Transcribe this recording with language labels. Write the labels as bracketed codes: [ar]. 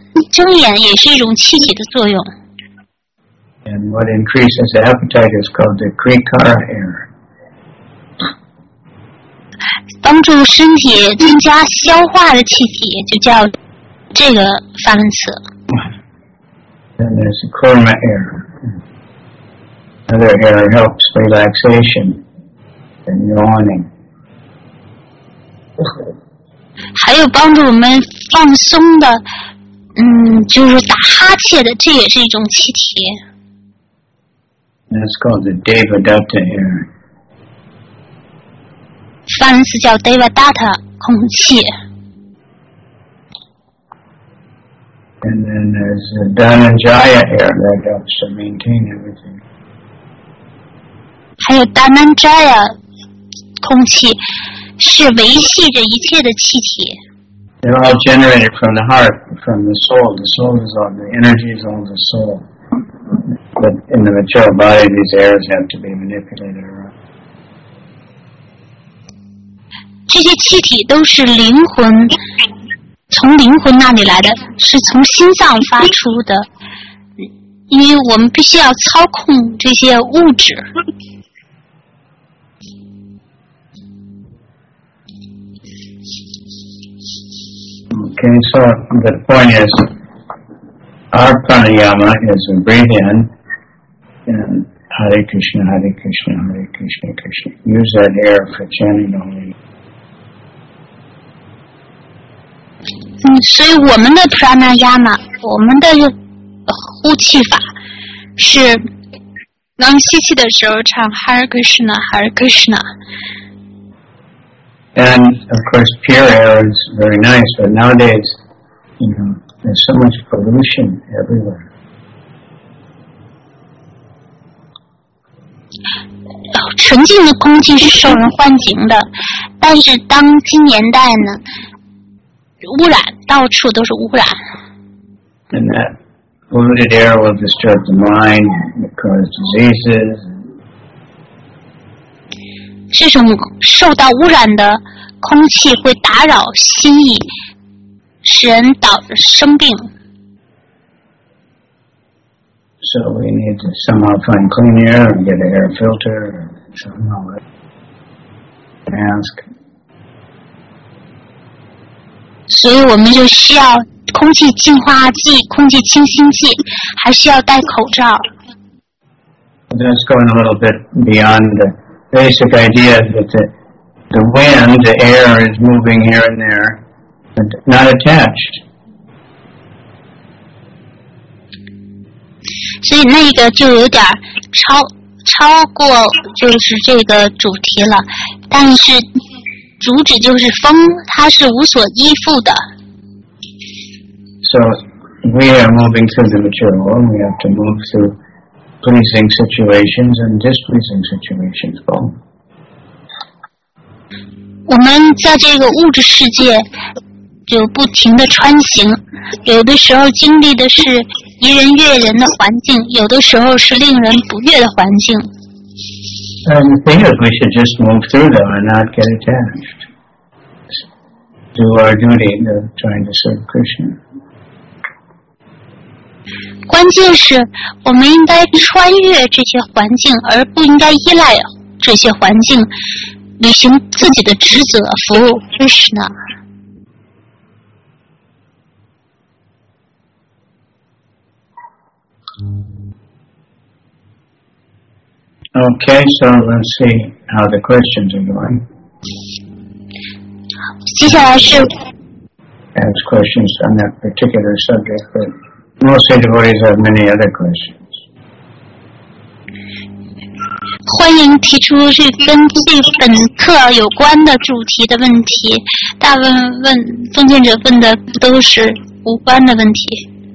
[zh] 睁眼也是一种气体的作用。 [en] And what increases the appetite is called the Krikara air. [zh] 帮助身体增加消化的气体就叫这个梵文词。 [en] And there's the Kurma air. Another air helps relaxation and yawning. [zh] 还有帮助我们放松的就是打哈欠的，这也是一种气体。 [en] That's called the Devadatta air. [zh] 梵文词叫 Devadatta 空气。 [en] And then there's the Dhananjaya air that helps to maintain everything. [zh] 还有 Dhananjaya 空气是维系着一切的气体。 [en] They're all generated from the heart, from the soul. The soul is all, the energy is all the soul. But in the material body, these airs have to be manipulated around. [zh] 这些气体都是灵魂，从灵魂那里来的，是从心脏发出的。因为我们必须要操控这些物质。 [en] Okay, so the point is, our pranayama is we breathe in and Hare Krishna, Hare Krishna, Hare Krishna, Krishna. Use that air for chanting only. [zh] 所以我们的 pranayama, 我们的呼气法是能吸气的时候唱 Hare Krishna, Hare Krishna. [en] And, of course, pure air is very nice, but nowadays, there's so much pollution everywhere. [zh] 纯净的空气是受人欢迎的，但是当今年代呢，污染，到处都是污染。 [en] And that polluted air will disturb the mind, cause diseases. [zh] 这种受到污染的空气会打扰心意，使人导致生病。 [en] So we need to somehow find clean air and get an air filter and somehow mask. [zh] 所以我们就需要空气净化剂、空气清新剂，还需要戴口罩。 [en] That's going a little bit beyond the basic idea that the wind, the air, is moving here and there, but not attached. [zh] 所以那个就有点超过就是这个主题了，但是主旨就是风，它是无所依附的。 [en] So we are moving through the material, we have to move through pleasing situations and displeasing situations go. [zh] 我们在这个物质世界就不停地穿行，有的时候经历的是宜人悦人的环境，有的时候是令人不悦的环境。 [en] And we think that we should just move through them and not get attached. Do our duty of trying to serve Krishna. [zh] 关键是我们应该穿越这些环境，而不应该依赖这些环境，履行自己的职责，服务 Krishna。 [en] Okay, so let's see how the questions are going. [zh] 接下来是 [en] ask questions on that particular subject, but mostly devotees have many other questions. [zh] 欢迎提出是跟这本课有关的主题的问题，大部分问奉献者问的都是无关的问题。